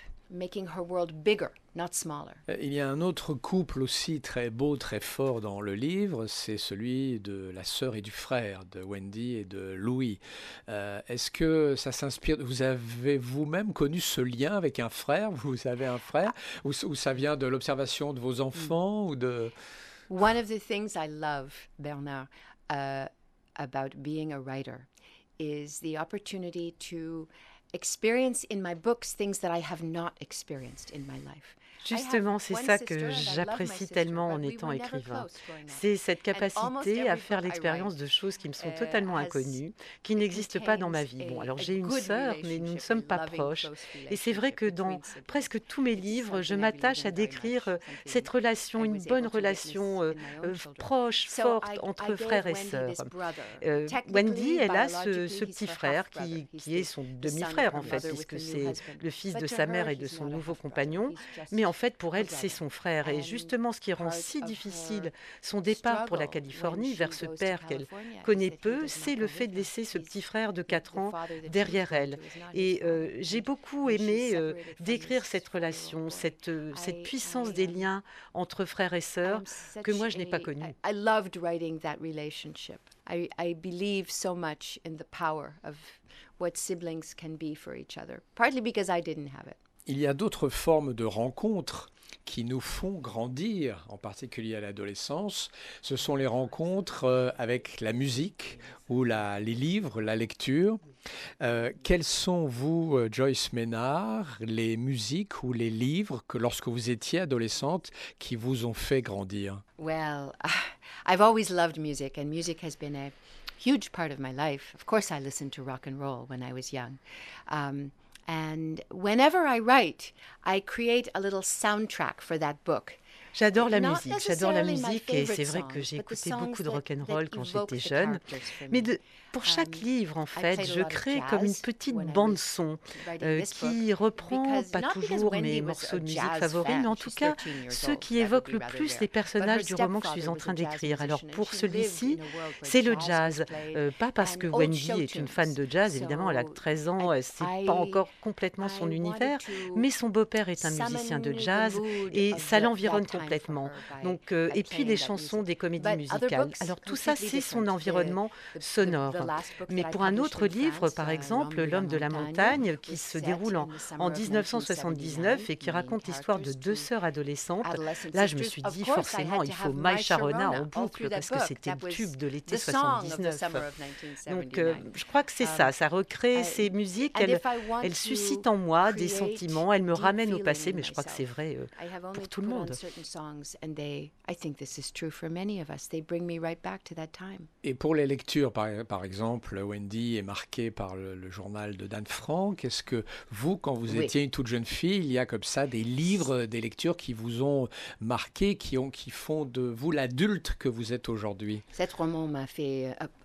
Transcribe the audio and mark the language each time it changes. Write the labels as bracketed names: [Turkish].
[French] Il y a un autre couple aussi très beau, très fort dans le livre, c'est celui de la sœur et du frère de Wendy et de Louis. Est-ce que ça s'inspire, vous avez vous-même connu ce lien avec un frère, vous avez un frère, ou ça vient de l'observation de vos enfants ou de... [English] One of the things I love, Bernard, about being a writer is the opportunity to experience in my books things that I have not experienced in my life. [French] Justement, c'est ça que j'apprécie tellement en étant écrivain. C'est cette capacité à faire l'expérience de choses qui me sont totalement inconnues, qui n'existent pas dans ma vie. Bon, alors j'ai une sœur, mais nous ne sommes pas proches. Et c'est vrai que dans presque tous mes livres, je m'attache à décrire cette relation, une bonne relation proche, forte, entre frères et sœurs. Wendy, elle a ce petit frère qui est son demi-frère, en fait, puisque c'est le fils de sa mère et de son nouveau compagnon. Mais en fait, pour elle, c'est son frère. Et justement, ce qui rend si difficile son départ pour la Californie vers ce père qu'elle connaît peu, c'est le fait de laisser ce petit frère de 4 ans derrière elle. Et j'ai beaucoup aimé décrire cette relation, cette puissance des liens entre frères et sœurs que moi, je n'ai pas connue. J'ai aimé écrire cette relation. [English] I believe so much in the power of what siblings can be for each other, partly because I didn't have it. [French] Il y a d'autres formes de rencontres qui nous font grandir, en particulier à l'adolescence. Ce sont les rencontres avec la musique ou les livres, la lecture. Quels sont, vous, Joyce Maynard, les musiques ou les livres que, lorsque vous étiez adolescente, qui vous ont fait grandir? [English] Well, I've always loved music, and music has been a huge part of my life. Of course, I listened to rock and roll when I was young. And whenever I write, I create a little soundtrack for that book. [French] J'adore la musique, et c'est vrai que j'ai écouté beaucoup de rock'n'roll quand j'étais jeune. Mais pour chaque livre, en fait, je crée comme une petite bande-son qui reprend, pas toujours, mes morceaux de musique favoris, mais en tout cas, ceux qui évoquent le plus les personnages du roman que je suis en train d'écrire. Alors, pour celui-ci, c'est le jazz. Pas parce que Wendy est une fan de jazz, évidemment, elle a 13 ans, c'est pas encore complètement son univers, mais son beau-père est un musicien de jazz et ça l'environne complètement. Donc, et puis les chansons des comédies musicales. Alors tout ça, c'est son environnement sonore. Mais pour un autre livre, par exemple, L'homme de la montagne, qui se déroule en 1979 et qui raconte l'histoire de deux sœurs adolescentes, là je me suis dit forcément, il faut My Sharona en boucle parce que c'était le tube de l'été 79. Donc je crois que c'est ça, ça recrée ces musiques, elles suscitent en moi des sentiments, elles me ramènent au passé, mais je crois que c'est vrai pour tout le monde. [English] songs, and I think this is true for many of us. They bring me right back to that time. [French] Et pour les lectures, par exemple, Wendy est marquée par le journal de Dan Frank. Est-ce que vous, quand vous étiez une toute jeune fille, il y a comme ça des livres, des lectures qui vous ont marquée, qui font de vous l'adulte que vous êtes aujourd'hui? Cet roman m'a fait...